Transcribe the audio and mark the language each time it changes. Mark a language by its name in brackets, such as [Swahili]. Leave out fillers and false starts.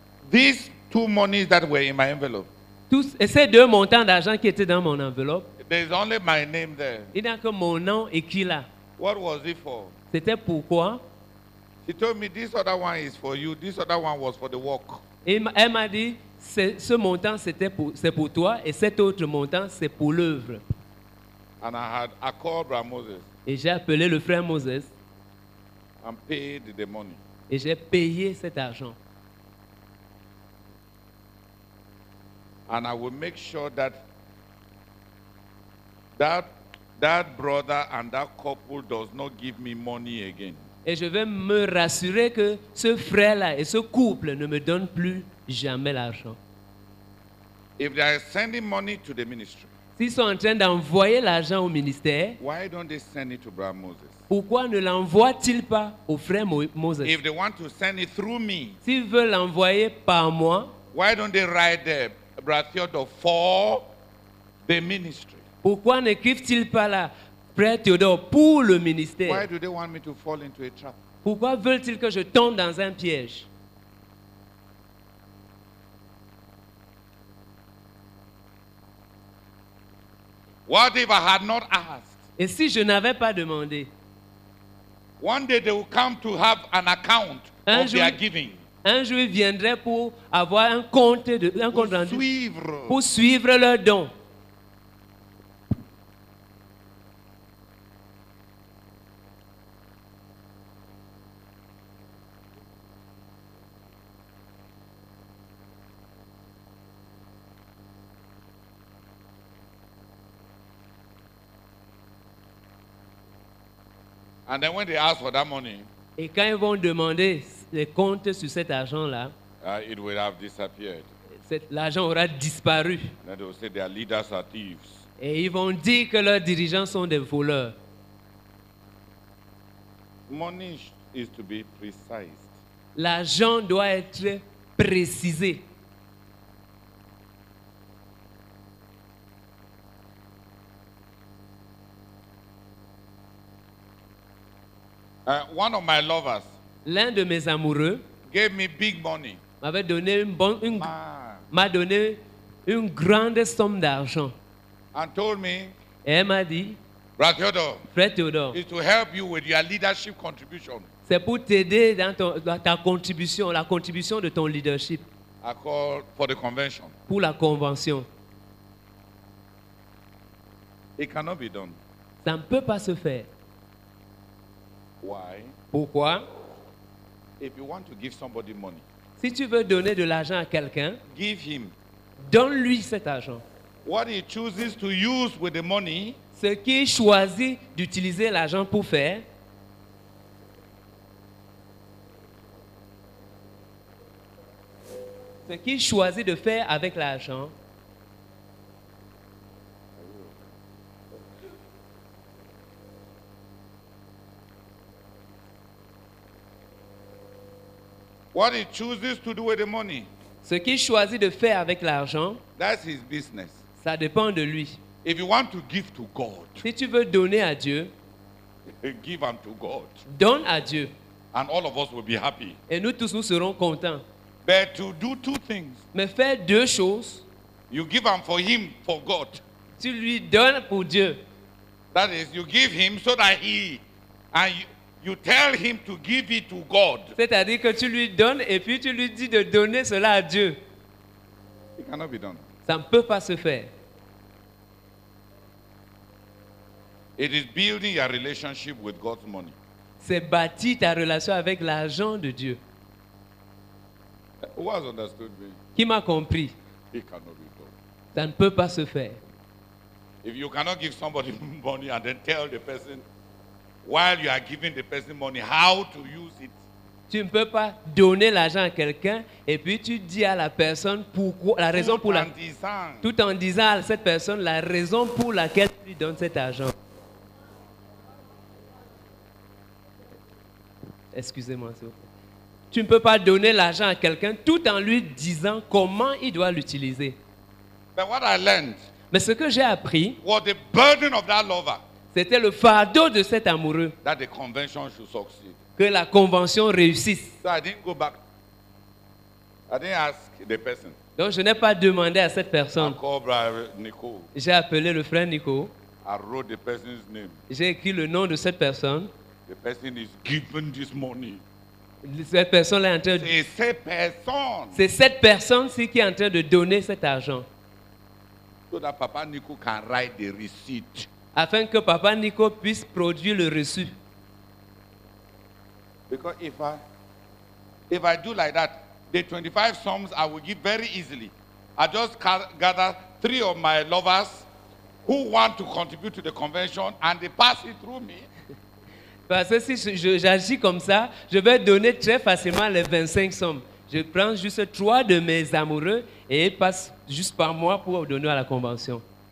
[English] These two monies that were in my envelope. [French] Tous et ces deux montants d'argent qui étaient dans mon enveloppe. [English] There's only my name there. [French] Il n'y a que mon nom écrit là. [English] What was it for? [French] C'était pourquoi? [English] He told me this other one is for you. This other one was for the work. [French] Elle m'a dit ce montant c'est pour toi et cet autre montant c'est pour l'œuvre. [English] And I called Brother Moses. [French] Et j'ai appelé le frère Moses. [English] And paid the money. [French] Et j'ai payé cet argent. [English] And I will make sure that brother and that couple does not give me money again. [French] Et je vais me rassurer que ce frère-là et ce couple ne me donnent plus jamais l'argent. [English] If they are sending money to the ministry. [French] S'ils sont en train d'envoyer l'argent au ministère, [English] why don't they send it to Brother Moses? [French] Pourquoi ne l'envoient-ils pas au frère Moses? [English] If they want to send it through me, [French] s'ils veulent l'envoyer par moi, [English] why don't they write there, Brother Theodore, for the ministry? [French] Pourquoi n'écrivent-ils pas là, Frère Théodore, pour le ministère? [English] Why do they want me to fall into a trap? [French] Pourquoi veulent-ils que je tombe dans un piège? [English] What if I had not asked? [French] Et si je n'avais pas demandé? [English] One day they will come to have an account [French] un of jour, [English] their giving. [French] Un jour ils viendraient pour avoir un compte de un pour compte suivre. Rendu pour suivre leurs dons. [English] And then when they ask for that money, [French] et quand ils vont demander les comptes sur cet argent-là, [English] it will have disappeared. [French] L'argent aura disparu. [English] Then they will say their leaders are thieves. [French] Et ils vont dire que leurs dirigeants sont des voleurs. [English] Money is to be precise. [French] L'argent doit être précisé. [English] One of my lovers, [French] l'un de mes amoureux, [English] gave me big money. [French] M'avait donné une grande somme d'argent. [English] And told me, [French] et elle m'a dit, Frère Théodore, [English] is to help you with your leadership contribution. [French] C'est pour t'aider dans la contribution de ton leadership. [English] I called for the convention. [French] Pour la convention. [English] It cannot be done. [French] Ça ne peut pas se faire. [English] Why? [French] Pourquoi? [English] If you want to give somebody money, [French] si tu veux donner de l'argent à quelqu'un, [English] give him. [French] Donne-lui cet argent. [English] What he chooses to use with the money, [French] ce qu'il choisit d'utiliser l'argent pour faire, ce qu'il choisit de faire avec l'argent, [English] what he chooses to do with the money, [French] ce qu'il choisit de faire avec l'argent, [English] that's his business. [French] Ça dépend de lui. [English] If you want to give to God, [French] si tu veux donner à Dieu, [English] give him to God. [French] Donne à Dieu. [English] And all of us will be happy. [French] Et nous tous, nous serons contents. [English] But to do two things, [French] mais faire deux choses, [English] you give him for him, for God. [French] Tu lui donnes pour Dieu. [English] That is, you give him so that he, and you tell him to give it to God. [French] C'est-à-dire que tu lui donnes et puis tu lui dis de donner cela à Dieu. [English] It cannot be done. [French] Ça ne peut pas se faire. [English] It is building your relationship with God's money. [French] C'est bâtir ta relation avec l'argent de Dieu. [English] Who has understood me? [French] Qui m'a compris? [English] It cannot be done. [French] Ça ne peut pas se faire. [English] If you cannot give somebody money and then tell the person, while you are giving the person money, how to use it. [French] Tu ne peux pas donner l'argent à quelqu'un et puis tu dis à la personne pourquoi, la raison tout pour la disant. Tout en disant à cette personne la raison pour laquelle tu lui donnes cet argent. Excusez-moi, s'il vous plaît. Tu ne peux pas donner l'argent à quelqu'un tout en lui disant comment il doit l'utiliser. [English] But what I learned, [French] mais ce que j'ai appris, [English] was the burden of that lover. [French] C'était le fardeau de cet amoureux. [English] That the convention should succeed. [French] Que la convention réussisse. [English] So I didn't go back. I didn't ask the person. [French] Donc je n'ai pas demandé à cette personne. [English] I called brother Nico. [French] J'ai appelé le frère Nico. [English] I wrote the person's name. [French] J'ai écrit le nom de cette personne. [English] The person is given this money. [French] Cette personne est en train de... C'est cette personne-ci qui est en train de donner cet argent. [English] So that Papa Nico can write the receipt. [French] Afin que Papa Nico puisse produire le reçu. [English] Because if I do like that, the 25 sums I will give very easily. I just gather three of my lovers who want to contribute to the convention and they pass it through me. [French] Parce que si j'agis comme ça, je vais donner très facilement les 25 sommes. Je prends juste trois de mes amoureux et ils passent juste par moi pour donner à la convention.